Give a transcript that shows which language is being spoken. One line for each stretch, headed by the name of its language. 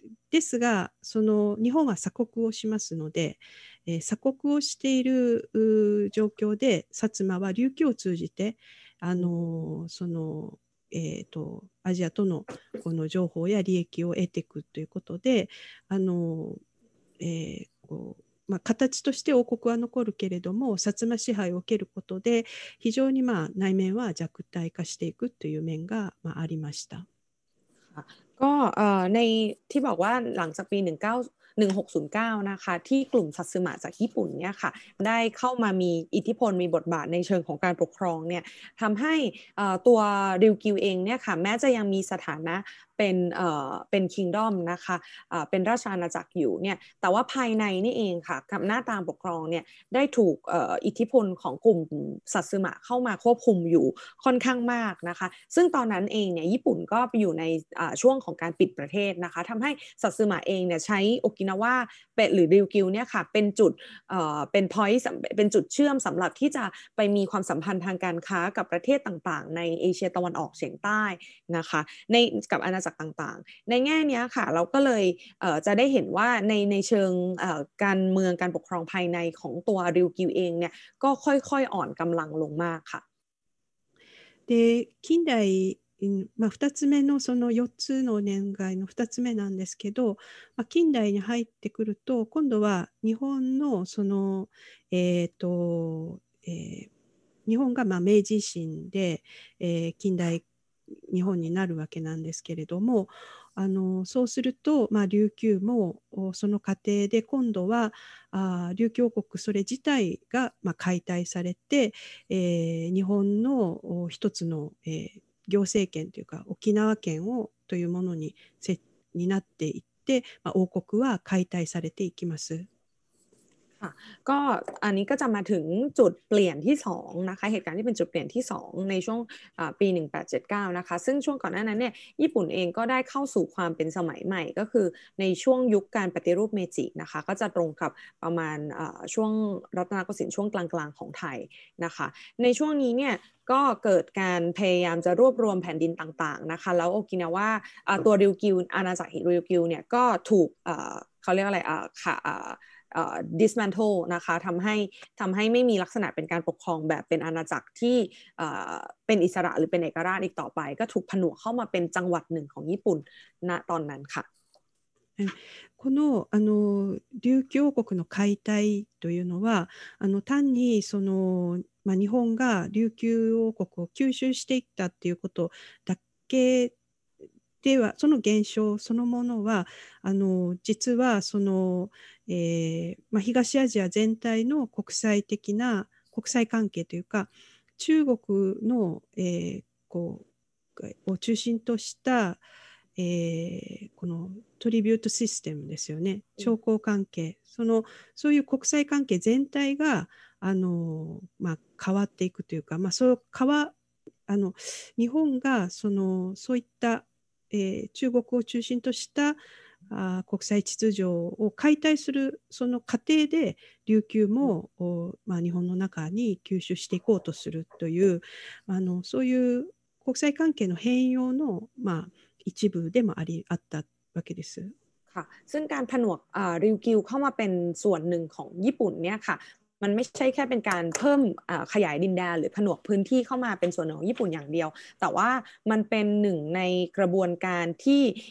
Japanese: ですがその日本は鎖国をしますので、鎖国をしている状況で薩摩は琉球を通じてあのそのアジアとのこの情報や利益を得ていくということで、あの、こう、まあ、形として王国は残るけれども、薩摩支配を受けることで、非常にまあ内面は弱体化していくという面がまあありました。
Thai: ก็ในที่บอกว่าหลังจากปี1609นะคะที่กลุ่มซัตสึมะจากญี่ปุ่นเนี่ยค่ะได้เข้ามามีอิทธิพลมีบทบาทในเชิงของการปกครองเนี่ยทำให้ตัวริวกิวเองเนี่ยค่ะแม้จะยังมีสถานะ เป็นคิงดอมนะคะเป็นราชอาณาจักรอยู่เนี่ยแต่ว่าภายในนี่เองค่ะกับหน้าตาปกครองเนี่ยได้ถูกอิทธิพลของกลุ่มสัตสึมะเข้ามาควบคุมอยู่ค่อนข้างมากนะคะซึ่งตอนนั้นเองเนี่ยญี่ปุ่นก็ไปอยู่ในช่วงของการปิดประเทศนะคะทำให้สัตสึมะเองเนี่ยใช้โอกินาว่าเป็ดหรือริวกิวเนี่ยค่ะเป็นจุด เป็นพอยต์เป็นจุดเชื่อมสำหรับที่จะไปมีความสัมพันธ์ทางการค้ากับประเทศต่างๆในเอเชียตะวันออกเฉียงใต้นะคะในกับอาณาจักรต่างๆในแง่นี้ค่ะเราก็เลยจะได้เห็นว่าในเชิงการเมืองการปกครองภายในของตัวริวกิวเองเนี่ยก็ค่อยๆ อ่อนกำลังลงมากค่ะ
Japanese: で近代まあ、2つ目のその4つの年代の2つ目なんですけど、まあ、近代に入ってくると今度は日本のその、日本がまあ明治維新で、近代日本になるわけなんですけれども、そうすると、まあ、琉球もその過程で今度は琉球王国それ自体が、まあ、解体されて、日本の一つの、行政権というか沖縄県をというものに になっていって、まあ、王国は解体されていきます。
Thai: ก็อันนี้ก็จะมาถึงจุดเปลี่ยนที่2นะคะเหตุการณ์ที่เป็นจุดเปลี่ยนที่2ในช่วงปี1879นะคะซึ่งช่วงก่อนหน้านั้นเนี่ยญี่ปุ่นเองก็ได้เข้าสู่ความเป็นสมัยใหม่ก็คือในช่วงยุคการปฏิรูปเมจินะคะก็จะตรงกับประมาณช่วงรัตนโกสินทร์ช่วงกลางๆของไทยนะคะในช่วงนี้เนี่ยก็เกิดการพยายามจะรวบรวมแผ่นดินต่างๆนะคะแล้วโอกินาว่าตัวริวกิวอาณาจักรริวกิวเนี่ยก็ถูกเขาเรียกอะไรค่ะ dismantle นะคะทำให้ไม่มีลักษณะเป็นการปกครองแบบเป็นอาณาจักรที่เป็นอิสระหรือเป็นเอกราชอีกต่อไปก็ถูกผนวกเข้ามาเป็นจังหวัดหนึ่งของญี่ปุ่นณตอนนั้นค่ะ
Japanese: この琉球王国の解体というのは単にその、まあ、日本が琉球王国を吸収していったっていうことだけではその現象そのものは実はその、まあ、東アジア全体の国際的な国際関係というか中国の、こうを中心とした、このトリビュートシステムですよね、朝貢関係、そういう国際関係全体が変わっていくというか、まあ、そう変わ日本がそういった中国を中心とした国際秩序を解体するその過程で琉球も、まあ、日本の中に吸収していこうとするというそういう国際関係の変容の、まあ、一部でもあったわけです。
Thai: ค่ะ、ซึ่งการผนวกริวกิวเข้ามาเป็นส่วนหนึ่งของญี่ปุ่นเนี่ยค่ะมันไม่ใช่แค่เป็นการเพิ่มขยายดินแดนหรือผนวกพื้นที่เข้ามาเป็นส่วนของญี่ปุ่นอย่างเดียวแต่ว่ามันเป็นหนึ่งในกระบวนการที่